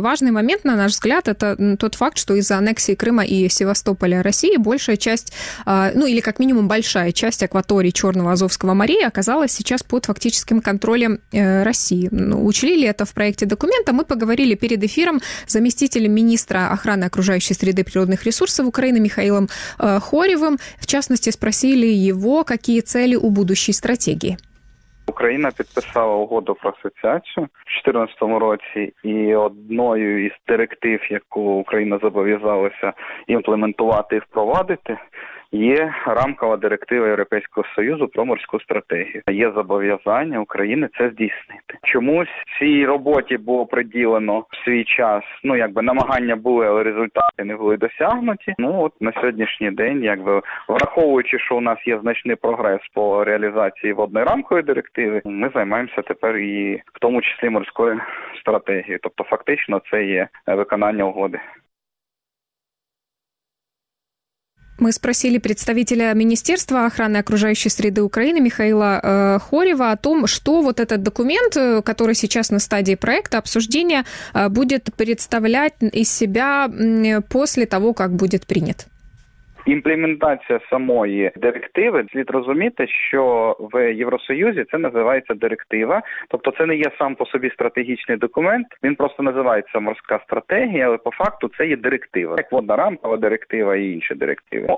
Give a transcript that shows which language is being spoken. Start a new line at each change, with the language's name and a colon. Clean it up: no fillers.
Russian: Важный момент, на наш взгляд, это тот факт, что из-за аннексии Крыма и Севастополя России большая часть, ну или как минимум большая часть акватории Черного Азовского моря оказалась сейчас под фактическим контролем России. Учли ли это в проекте документа? Мы поговорили перед эфиром с заместителем министра охраны окружающей среды и природных ресурсов Украины Михаилом Хорьевым. В частности, спросили его, какие цели у будущей стратегии.
Ukrainian: Україна підписала угоду про асоціацію в 2014 році, і одною із директив, яку Україна зобов'язалася імплементувати і впровадити, є рамкова директива Європейського Союзу про морську стратегію. Є зобов'язання України це здійснити. Чомусь цій роботі було приділено свій час, ну якби намагання були, але результати не були досягнуті. Ну от на сьогоднішній день, якби враховуючи, що у нас є значний прогрес по реалізації водної рамкової директиви, ми займаємося тепер і в тому числі морською стратегією. Тобто фактично це є виконання угоди.
Russian: Мы спросили представителя Министерства охраны окружающей среды Украины Михаила Хорьева о том, что вот этот документ, который сейчас на стадии проекта обсуждения, будет представлять из себя после того, как будет принят.
Ukrainian: Імплементація самої директиви, слід розуміти, що в Євросоюзі це називається директива, тобто це не є сам по собі стратегічний документ, він просто називається морська стратегія, але по факту це є директива, як водна рамкова директива і інші директиви.